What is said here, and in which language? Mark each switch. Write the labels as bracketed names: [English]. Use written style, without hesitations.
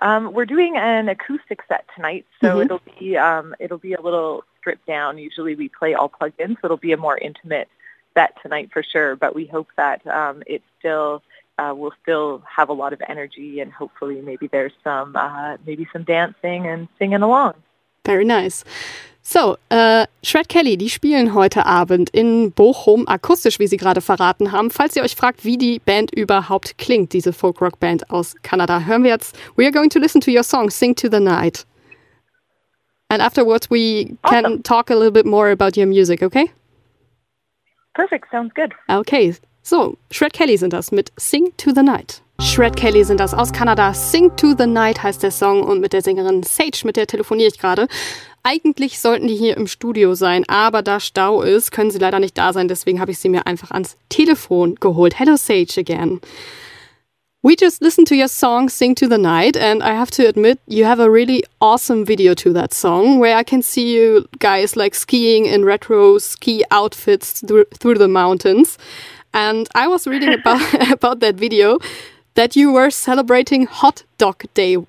[English] We're doing an acoustic set tonight, so it'll be a little stripped down. Usually we play all plug-ins, so it'll be a more intimate set tonight for sure, but we hope that we'll still have a lot of energy, and hopefully maybe there's some dancing and singing along. Very nice. [German] So, Shred Kelly, die spielen heute Abend in Bochum akustisch, wie sie gerade verraten haben. Falls ihr euch fragt, wie die Band überhaupt klingt, diese Folkrock-Band aus Kanada, hören wir jetzt. [English] We are going to listen to your song, Sing to the Night. And afterwards we can talk a little bit more about your music, okay? Perfect, sounds good. [German] Okay, so Shred Kelly sind das mit Sing to the Night. Shred Kelly sind das aus Kanada. Sing to the Night heißt der Song, und mit der Sängerin Sage, mit der telefoniere ich gerade. Eigentlich sollten die hier im Studio sein, aber da Stau ist, können sie leider nicht da sein. Deswegen habe ich sie mir einfach ans Telefon geholt. [English] Hello Sage again. We just listened to your song Sing to the Night and I have to admit, you have a really awesome video to that song where I can see you guys like skiing in retro ski outfits through the mountains. And I was reading about that video that you were celebrating Hot Dog Day.